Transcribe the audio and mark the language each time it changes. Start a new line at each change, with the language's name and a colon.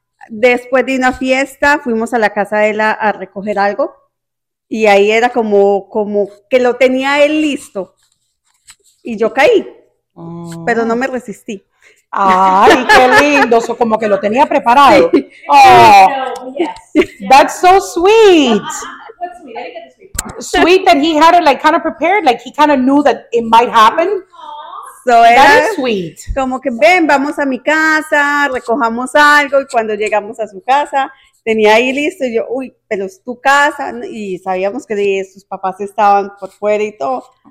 Spanish: Después de una fiesta, fuimos a la casa de él a recoger algo y ahí era como, como que lo tenía él listo y yo caí, pero no me resistí. Ay, qué lindo, so, como que lo tenía preparado.
English: Oh, that's so sweet. Sweet that he had it like kind of prepared, like he kind of knew that it might happen. So that
Spanish: era,
English: is sweet.
Spanish: Como que ven, vamos a mi casa, recojamos algo y cuando llegamos a su casa, tenía ahí listo y yo, uy, pero es tu casa y sabíamos que sus papás estaban por fuera y todo.